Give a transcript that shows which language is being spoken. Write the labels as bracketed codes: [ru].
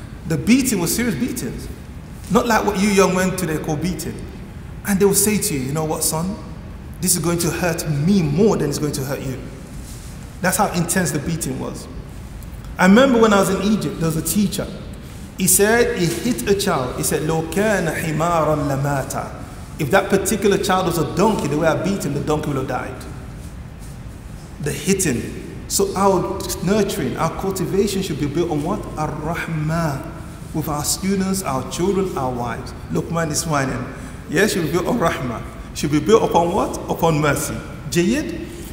[en] The beating was serious beatings. Not like what you young men today call beating. And they will say to you, you know what son, this is going to hurt me more than it's going to hurt you. That's how intense the beating was. I remember when I was in Egypt, there was a teacher. He said, he hit a child. [ar] He said, لَوْكَانَ حِمَارًا لَمَاتَ. [en] If that particular child was a donkey, the way I beat him, the donkey would have died. The hitting. So our nurturing, our cultivation should be built on what? Ar-Rahman. With our students, our children, our wives. Luqman is whining. Yes, should be built on Rahman. Should be built upon what? Upon mercy. Jayyid?